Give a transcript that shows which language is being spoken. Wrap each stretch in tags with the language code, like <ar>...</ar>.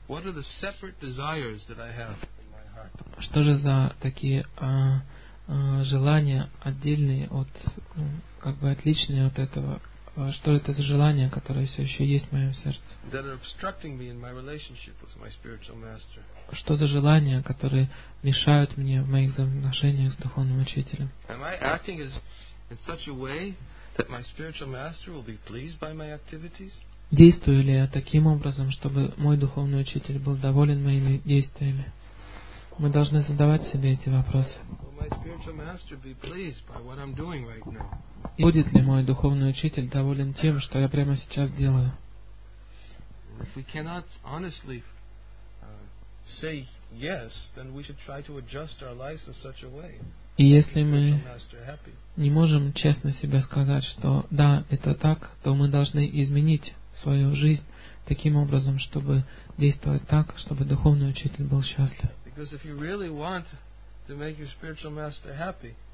<en>What are the separate desires that I have in my heart?</en> <ru>Что же за такие желания отдельные от, как бы отличные от этого? Что это за желания, которые все еще есть в моем сердце? Что за желания, которые мешают мне в моих взаимоотношениях с духовным учителем?</ru> <en>Am I acting in such a way that my spiritual master will be pleased by my activities?</en> <ru>Действую ли я таким образом, чтобы мой духовный учитель был доволен моими действиями? Мы должны задавать себе эти вопросы.</ru> <en>Will my spiritual master be pleased by what I'm doing right now?</en> <ru>И будет ли мой духовный учитель доволен тем, что я прямо сейчас делаю?</ru> <en>If we cannot honestly say yes, then we should try to adjust our lives in such a way.</en> <ru>И если мы не можем честно себе сказать, что да, это так, то мы должны изменить свою жизнь таким образом, чтобы действовать так, чтобы духовный учитель был счастлив.</ru> <en>Because if you really want to make your spiritual master happy,</en>